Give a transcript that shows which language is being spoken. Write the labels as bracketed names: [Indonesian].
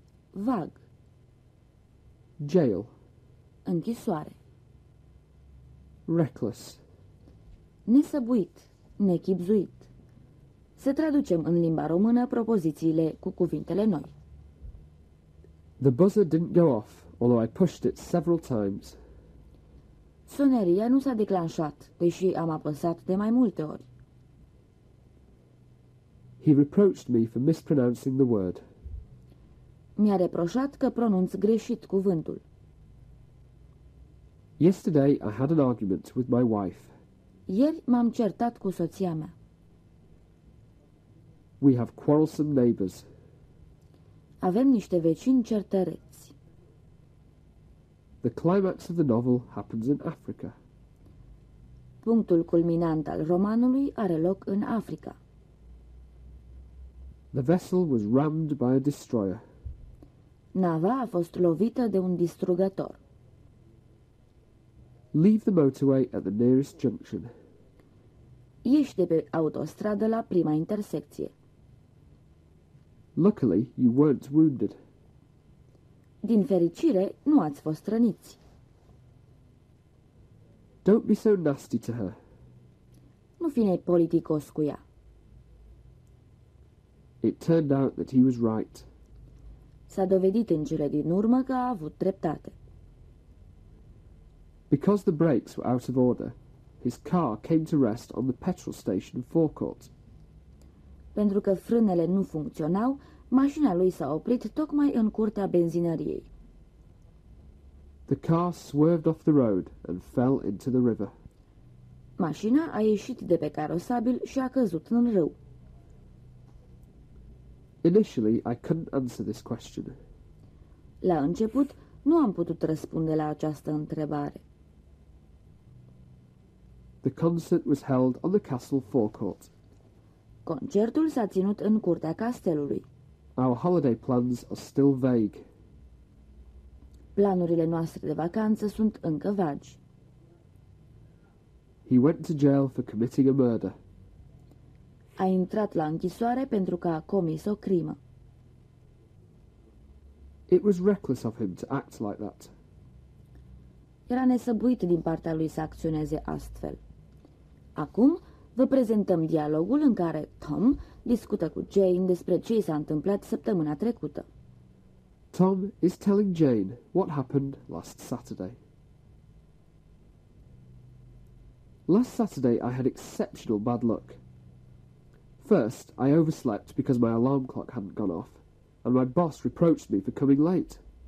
[Romanian] Vag. [English] Jail. [Romanian] Închisoare. [English] Reckless. [Romanian] Nesăbuit, nechibzuit. Să traducem în limba română propozițiile cu cuvintele noi. [English] The buzzer didn't go off, although I pushed it several times. [Romanian] Soneria nu s-a declanșat, deși am apăsat de mai multe ori. [English] He reproached me for mispronouncing the word. [Romanian] Mi-a reproșat că pronunț greșit cuvântul. [English] Yesterday I had an argument with my wife. [Romanian] Ieri m-am certat cu soția mea. [English] We have quarrelsome neighbors. [Romanian] Avem niște vecini certăreți. [English] The climax of the novel happens in Africa. [Romanian] Punctul culminant al romanului are loc în Africa. [English] The vessel was rammed by a destroyer. [Romanian] Nava a fost lovită de un distrugător. [English] Leave the motorway at the nearest junction. [Romanian] Ieși de pe autostradă la prima intersecție. [English] Luckily, you weren't wounded. [Romanian] Din fericire, nu ați fost răniți. [English] Don't be so nasty to her. [Romanian] Nu fi nepoliticos cu ea. [English] It turned out that he was right. [Romanian] S-a dovedit în cele din urmă că a avut dreptate. [English] Because the brakes were out of order, his car came to rest on the petrol station forecourt. [Romanian] Pentru că frânele nu funcționau, mașina lui s-a oprit tocmai în curtea benzinăriei. [English] The car swerved off the road and fell into the river. [Romanian] Mașina a ieșit de pe carosabil și a căzut în râu. [English] Initially, I couldn't answer this question. [Romanian] La început, nu am putut răspunde la această întrebare. [English] The concert was held on the castle forecourt. [Romanian] Concertul s-a ținut în curtea castelului. [English] Our holiday plans are still vague. [Romanian] Planurile noastre de vacanță sunt încă vagi. [English] He went to jail for committing a murder. [Romanian] A intrat la închisoare pentru că a comis o crimă. [English] It was reckless of him to act like that. [Romanian] Era nesăbuit din partea lui să acționeze astfel. Acum vă prezentăm dialogul în care Tom discută cu Jane despre ce i s-a întâmplat săptămâna trecută. [English] Tom is telling Jane what happened last Saturday. Last Saturday I had exceptional bad luck. First, I overslept because my alarm clock hadn't gone off, and my boss reproached me for coming late.